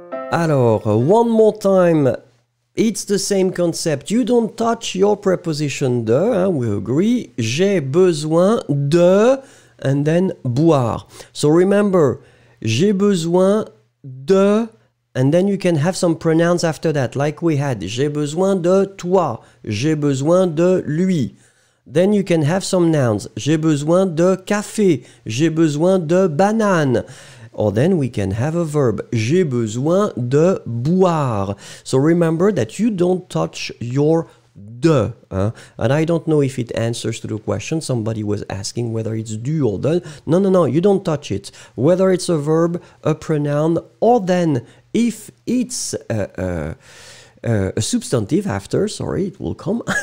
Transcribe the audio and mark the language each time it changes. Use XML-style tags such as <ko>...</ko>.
<en>Alors, one more time, it's the same concept. You don't touch your preposition de, hein, we agree.</en> <fr>J'ai besoin de,</fr> <en>and then</en> <fr>boire.</fr> <en>So remember,</en> <fr>j'ai besoin de,</fr> <en>and then you can have some pronouns after that, like we had.</en> <fr>J'ai besoin de toi, j'ai besoin de lui.</fr> <en>Then you can have some nouns.</en> <fr>J'ai besoin de café, j'ai besoin de banane.</fr> <en>Or then we can have a verb.</en> <fr>J'ai besoin de boire.</fr> <en>So remember that you don't touch your de. Hein? And I don't know if it answers to the question. Somebody was asking whether it's du or de. No, no, no, you don't touch it. Whether it's a verb, a pronoun, or then if it's a substantive after, sorry, it will come.</en>